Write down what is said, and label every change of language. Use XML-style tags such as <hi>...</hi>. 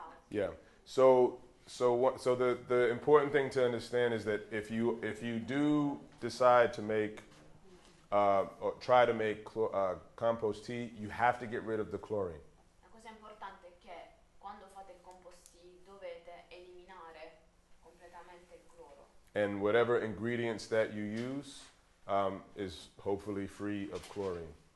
<en>Yeah. So the important thing to understand is that if you do decide to make compost tea, you have to get rid of the chlorine.</en> <it>La cosa importante è che quando fate il compost tea dovete eliminare completamente il cloro.</it> <en>And whatever ingredients that you use is hopefully free of chlorine.</en>